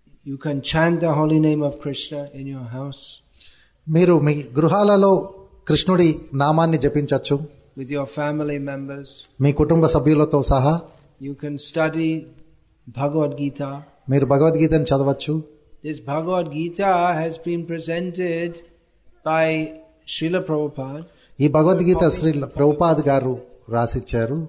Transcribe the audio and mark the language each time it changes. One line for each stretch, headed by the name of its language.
English: You can chant the holy name of Krishna in your house.
Telugu: మీరు మీ గృహాలలో కృష్ణుడి నామాన్ని జపించొచ్చు.
English: With your family members.
Telugu: మీ కుటుంబ సభ్యులతో సహా.
English: You can study Bhagavad Gita.
Telugu: మీరు భగవద్గీతను చదవచ్చు.
English: This Bhagavad Gita has been presented by Srila Prabhupada.
Telugu: ఈ భగవద్గీత శ్రీల ప్రభుపాద్ గారు రాసిచ్చారు.